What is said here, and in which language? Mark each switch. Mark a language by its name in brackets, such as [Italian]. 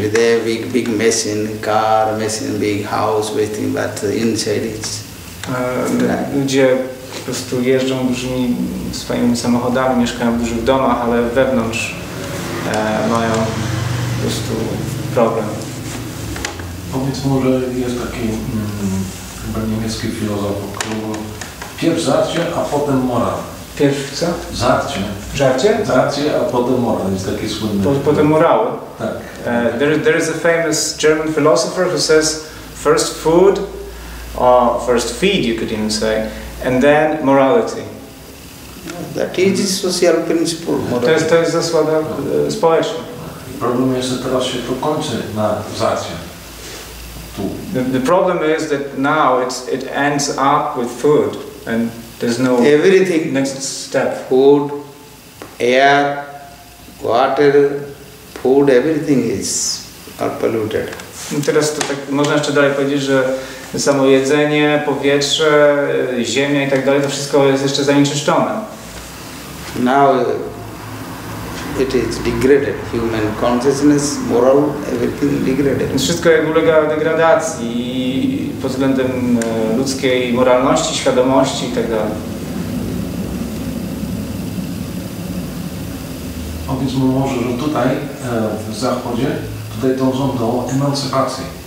[English] With their big machine, car, machine, big house, everything, but inside it's... [Polish] Ludzie po prostu jeżdżą dużymi swoimi samochodami, mieszkają w dużych domach, ale wewnątrz mają po prostu problem. Powiedz może, jest taki chyba niemiecki filozof, który pierw żarcie, a potem mora. Pierw co? Żarcie. Żarcie? Żarcie, a potem mora. Jest taki słynny. Potem morały. Tak. [English] There is a famous German philosopher who says first food, or first feed, you could even say, and then morality. That is social principle. [Polish] To jest zasada społeczna. Problem jest, że teraz się to kończy na żarcie. [English] The problem is that now it ends up with food, and there's no everything next step. Food, air, water, food, everything is polluted. [Polish] Teraz to tak, można jeszcze dalej powiedzieć, że samo jedzenie, powietrze, ziemia i tak dalej, to wszystko jest jeszcze zanieczyszczone. [English] Now it is degraded, human consciousness, moral, everything degraded. [Polish] Wszystko jak ulega degradacji pod względem ludzkiej moralności, świadomości i tak dalej. Powiedz mu może, że tutaj, w Zachodzie, tutaj dążą do emancypacji.